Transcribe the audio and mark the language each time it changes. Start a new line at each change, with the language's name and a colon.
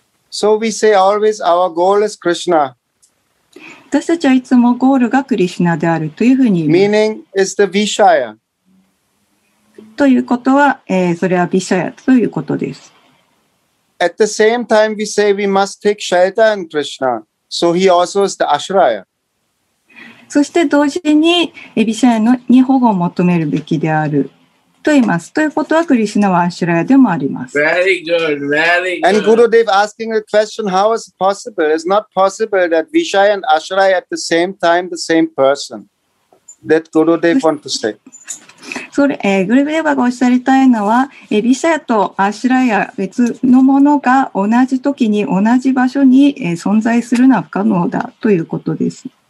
English: So we say always our goal is Krishna.
Japanese: 私たちはいつもゴールがクリシュナであるというふうに言います
English: 。 Meaning is the Vishaya.
Japanese: ということは、それはVishaya ということです。
English: At the same time we say we must take shelter in Krishna. So he also is the Ashraya.
Japanese: そして同時にVishayaに保護を求めるべきである。と言います。ということは、クリシュナはアシュラヤでもあります。
English: Very good, very good. And Gurudev asking a question, how is it possible? It's not possible that Vishaya and Ashraya at the same time, the same person. That Gurudev want to say.
Japanese: それ、Gurudev がおっしゃりたいのは、Vishaya とアシュラヤ別のものが同じ時に同じ場所に、存在するのは不可能だということです。